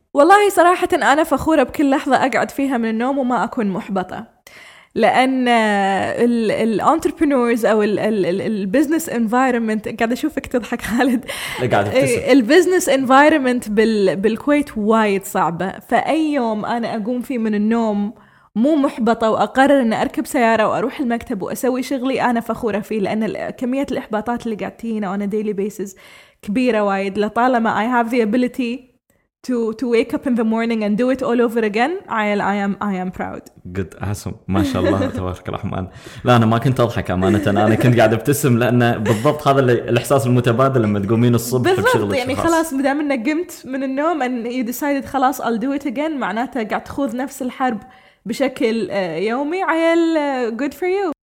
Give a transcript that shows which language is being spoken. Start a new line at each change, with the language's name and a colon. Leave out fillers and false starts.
Arabic: والله صراحة أنا فخورة بكل لحظة أقعد فيها من النوم وما أكون محبطة, لأن الـ entrepreneurs أو البزنس environment, قاعد أشوفك تضحك خالد, البزنس environment بالكويت وايد صعبة. فأي يوم أنا أقوم فيه من النوم مو محبطة وأقرر أن أركب سيارة وأروح المكتب وأسوي شغلي أنا فخورة فيه, لأن كمية الإحباطات اللي قاعد تجينا
English: on a daily basis
Arabic: كبيرة وايد. لطالما
English: I have the ability to wake up in the morning and do it all over again, I am proud. Good, awesome.
Arabic: ما شاء الله تبارك الرحمن. لا أنا ما كنت أضحك أمانة, أنا كنت قاعد أبتسم, لأن بالضبط هذا الإحساس المتبادل لما تقومين الصبح بالضبط بشغلك. يعني خلاص مدام أنك قمت من النوم
English: and you decided
Arabic: خلاص
English: I'll do it again,
Arabic: معناته قاعد تخوض نفس الحرب بشكل يومي. عيل
English: good for you.